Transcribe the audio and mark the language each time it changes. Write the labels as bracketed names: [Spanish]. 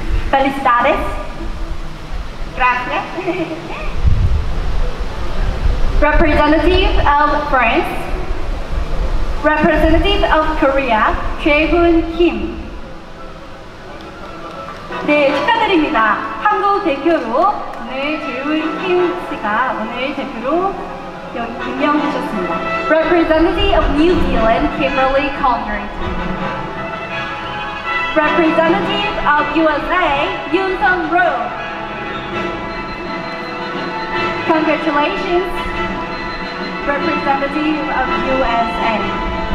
[Spanish] ¡Felicidades! Gracias. [English] Representative of France. Representative of Korea, Jaehoon Kim. [Korean] 네, 축하드립니다. 한국 대표로 오늘 Jaehoon Kim 씨가 오늘 대표로 임명되셨습니다. [English] Representative of New Zealand, Kimberly Conrad. Representative of USA, Yoon Sung Ro. Congratulations. Representative of USA.